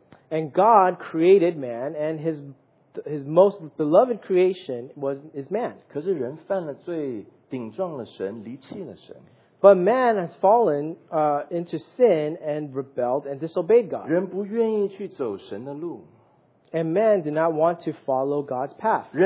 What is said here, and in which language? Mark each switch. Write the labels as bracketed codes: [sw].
[en] And God created man, and his most beloved creation is man. [zh] 可是人犯了罪，顶撞了神，离弃了神。 [en] But man has fallen into sin and rebelled and disobeyed God. [zh] 人不愿意去走神的路。 [en] And man did not want to follow God's path.